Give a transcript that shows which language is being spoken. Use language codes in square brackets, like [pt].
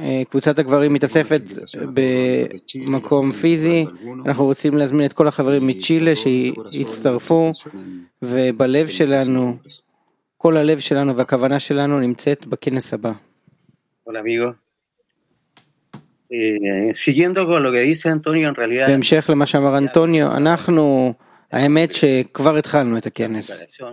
[he] קבוצת הגברים מתאספת במקום פיזי, אנחנו רוצים להזמין את כל החברים מצ'ילה שהצטרפו, ובלב שלנו, כל הלב שלנו והכוונה שלנו נמצאת בכנס הבא. [es] Hola amigo. Siguiendo con lo que dice Antonio en realidad. [he] בהמשך למה שאמר אנטוניו, אנחנו האמת שכבר התחלנו את הכנס.